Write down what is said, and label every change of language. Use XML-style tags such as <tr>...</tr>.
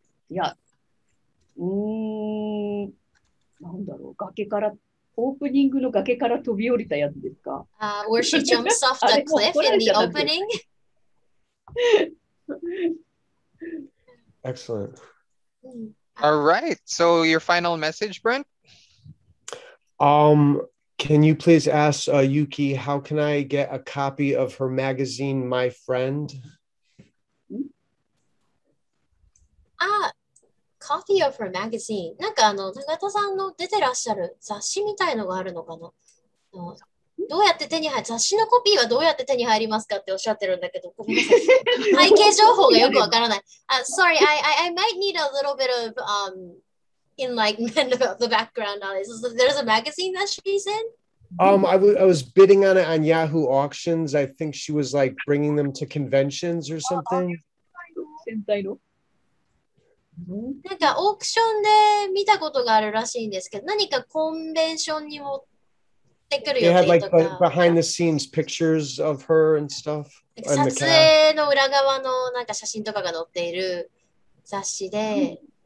<ja>いや、なんだろう、崖から、オープニングの崖から飛び降りたやつですか？</ja> <en>Where she jumps off the cliff in the opening? Excellent. All right. So, your final message, Brent? Can you please ask Yuki, how can I get a copy of her magazine, My Friend? Copy of her magazine.</en> <ja>なんか永田さんの出てらっしゃる雑誌みたいのがあるのかな。どうやって手に入る雑誌のコピーはどうやって手に入りますかっておっしゃってるんだけど、ごめんなさい。背景情報がよくわからない。</ja> <en>Sorry, I might need a little bit of enlightenment about the background on this. There's a magazine that she's in? I was bidding on it on Yahoo Auctions. I think she was like bringing them to conventions or something.</en> <ja>なんかオークションで見たことがあるらしいんですけど、何かコンベンションにも</ja> <en>They had like behind the scenes pictures of her and stuff.</en> <ja>撮影の裏側のなんか写真とかが載っている雑誌で。</ja>